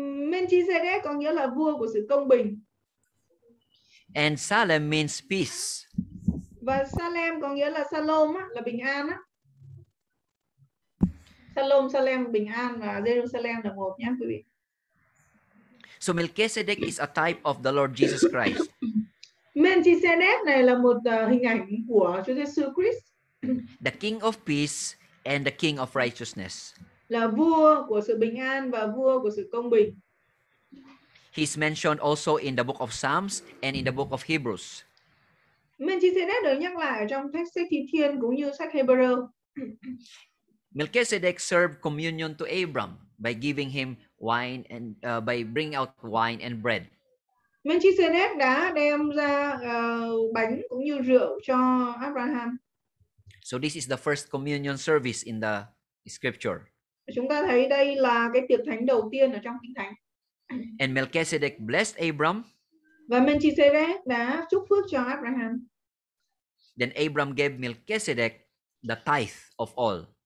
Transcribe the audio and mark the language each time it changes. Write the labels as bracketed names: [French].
[Vietnamese] Melchizedek có nghĩa là vua của sự công bình. [English] And Salem means peace. [Vietnamese] Và Salem có nghĩa là Salom á, là bình an á. Salom, Salem, bình an và Jerusalem là một nhé quý vị. [English] So Melchizedek is a type of the Lord Jesus Christ. [Vietnamese] Melchizedek này là một hình ảnh của Chúa Giêsu Christ. [English] The king of peace and the king of righteousness. [Vietnamese] Là vua của sự bình an và vua của sự công bình. [English] He's mentioned also in the book of Psalms and in the book of Hebrews. [Vietnamese] Melchizedek được nhắc lại trong sách Thi Thiên cũng như sách Hebrew. [English] Melchizedek served communion to Abram by giving him wine and by bringing out wine and bread. [Vietnamese] Melchizedek đã đem ra bánh cũng như rượu cho Abraham. [English] So this is the first communion service in the scripture. [Vietnamese] Chúng ta thấy đây là cái tiệc thánh đầu tiên ở trong Kinh Thánh. [English] And Melchizedek blessed Abram. [Vietnamese] Và Melchizedek đã chúc phước cho Abraham. [English] Then Abram gave Melchizedek the tithe of all.